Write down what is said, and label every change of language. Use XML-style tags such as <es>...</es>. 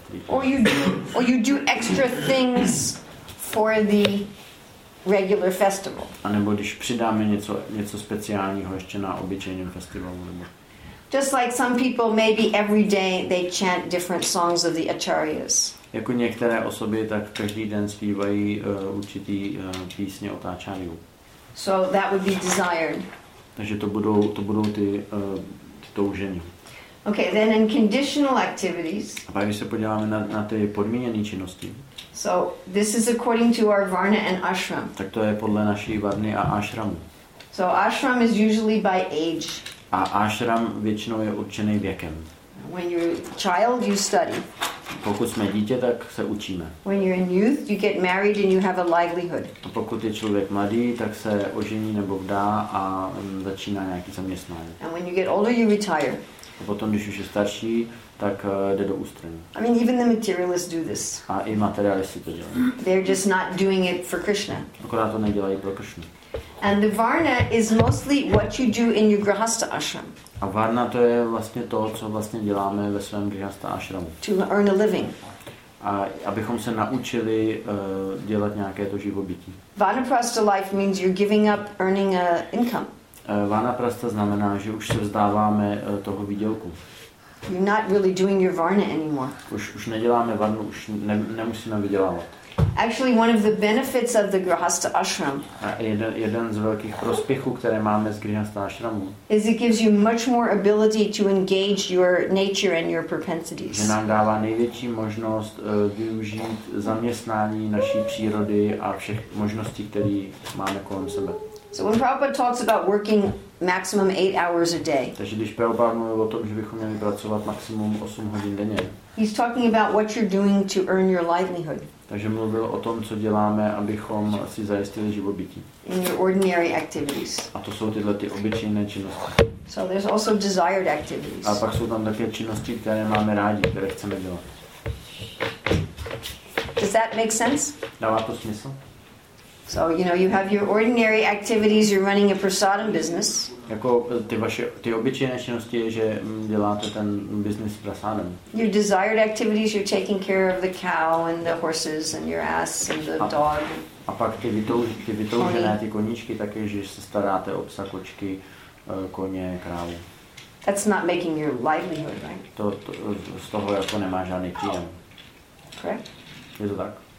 <en>Or you do extra things for the regular festival.</en> <cs>A nebo když přidáme něco speciálního ještě na obyčejném festivalu nebo...</cs> <en>Just like some people, maybe every day they chant different songs of the acharyas.</en> <cs>Jako některé osoby, tak každý den zpívají určitý písně od acharyů.</cs> <en>So that would be desired.</en> <cs>Takže to budou ty toužení.</cs> <en>Okay, then in conditional activities.</en> <cs>A pak když se podíváme na ty podmíněné činnosti.</cs> <en>So this is according to our varna and ashram.</en> <cs>Tak to je podle naší varny a ashramu.</cs> <en>So ashram is usually by age.</en> <cs>A ashram většinou je určený věkem.</cs> <en>When you're a child, you study.</en> <cs>Pokud jsme dítě, tak se učíme.</cs> <en>When you're in youth, you get married and you have a livelihood.</en> <cs>A pokud je člověk mladý, tak se ožení nebo vdá a začíná nějaký zaměstnání.</cs> <en>And when you get older, you retire.</en> <cs>A potom, když už je starší, tak jde do ústraní.</cs> <en>I mean, even the materialists do this.</en> <cs>A i materialisti to dělají.</cs> <en>They're just not doing it for Krishna.</en> <cs>Akorát to nedělají pro Krishnu.</cs> <en>And the varna is mostly what you do in your grihastha ashram.</en> <cs>A varna to je vlastně to, co vlastně děláme ve svém grihastha ashramu.</cs> <en>To earn a living.</en> <cs>A abychom se naučili dělat nějaké to živobytí.</cs> <en>Vanaprastha life means you're giving up earning a income.</en> <cs>Vanaprastha znamená, že už se vzdáváme toho výdělku.</cs> <en>You're not really doing your varna anymore.</en> <cs>Už neděláme varnu, už nemusíme vydělávat.</cs> <en>Actually, one of the benefits of the grihastha ashram.</en> <cs>Jeden z velkých prospěchů, které máme z grihastha ashramu.</cs> <en>Is it gives you much more ability to engage your nature and your propensities.</en> <cs>Že nám dává největší možnost využít zaměstnání naší přírody a všech možností, které máme kolem sebe.</cs> <en>So when Prabhupada talks about working maximum 8 hours a day.</en> <cs>Takže když Prabhupada mluví o tom, že bychom měli pracovat maximum 8 hodin denně.</cs> <en>He's talking about what you're doing to earn your livelihood.</en> <cs>Takže mluvil o tom, co děláme, abychom si zajistili živobytí.</cs> <en>In your ordinary activities.</en> <cs>A to jsou tyhle ty obyčejné činnosti.</cs> <en>So there's also desired activities.</en> <cs>A pak jsou tam také činnosti, které máme rádi, které chceme dělat.</cs> <en>Does that make sense?</en> <cs>Dává to smysl?</cs> <en>So, you know, you have your ordinary activities, you're running a prasadam business.</en> <cs>Jako ty vaše ty obyčejné činnosti je, že děláte ten business prasadam.</cs> <en>Your desired activities, you're taking care of the cow and the horses and your ass and the dog.</en> <cs>A pak ty vytoužené ty koníčky taky, že se staráte o psa, kočky, koně, krávu.</cs> <en>That's not making your livelihood, right?</en> <cs>To z toho jako nemá žádný příjem.</cs> <en>Correct?</en> <cs>Je to tak?</cs>